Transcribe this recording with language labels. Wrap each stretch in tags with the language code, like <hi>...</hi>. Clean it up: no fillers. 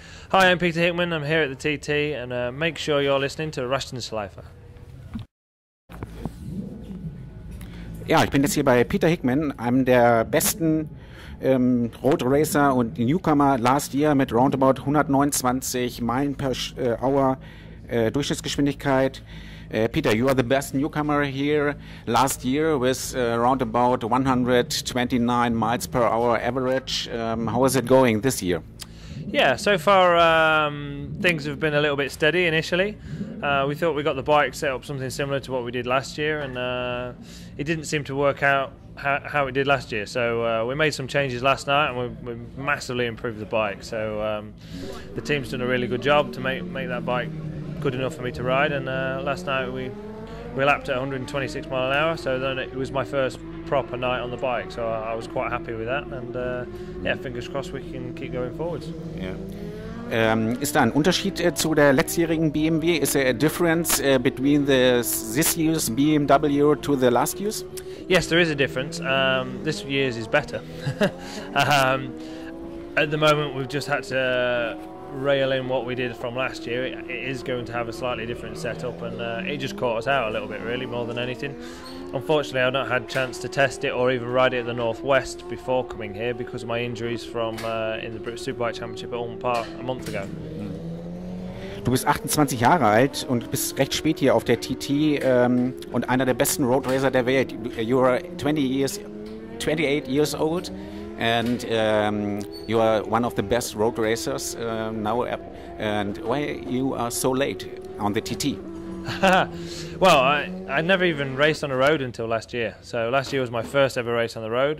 <en>Hi, I'm Peter Hickman, I'm here at the TT, and make sure you're listening to Rushton Schleifer.</en> <de>Ja, ich bin jetzt hier bei Peter Hickman, einem der besten Road Racer und Newcomer</de> <en>last year</en> <de>mit roundabout 129 Meilen per Hour Durchschnittsgeschwindigkeit.</de> <en>Peter, you are the best newcomer here last year with roundabout 129 miles per hour average. How is it going this year? Yeah, so far things have been a little bit steady initially. We thought we got the bike set up something similar to what we did last year, and it didn't seem to work out how it did last year. So we made some changes last night, and we massively improved the bike. So the team's done a really good job to make that bike good enough for me to ride. And last night we lapped at 126 mile an hour. So then it was my first proper night on the bike, so I was quite happy with that, and yeah, fingers crossed we can keep going forwards. Yeah.</en> <de>Ist da ein Unterschied zu der letztjährigen BMW?</de> <en>Is there a difference between this year's BMW to the last year's? Yes, there is a difference. This year's is better. At the moment we've just had to rail in what we did from last year. It is going to have a slightly different setup, and it just caught us out a little bit, really, more than anything. Unfortunately, I've not had a chance to test it or even ride it at the Northwest before coming here because of my injuries from in the British Superbike Championship at Ulm Park a month ago.</en> <de>Du bist 28 Jahre alt und bist recht spät hier auf der TT und einer der besten Road Racer der Welt.</de> <en>You are 28 years old. And you are one of the best road racers now. And why you are so late on the TT? Well, I never even raced on a road until last year. So last year was my first ever race on the road.</en>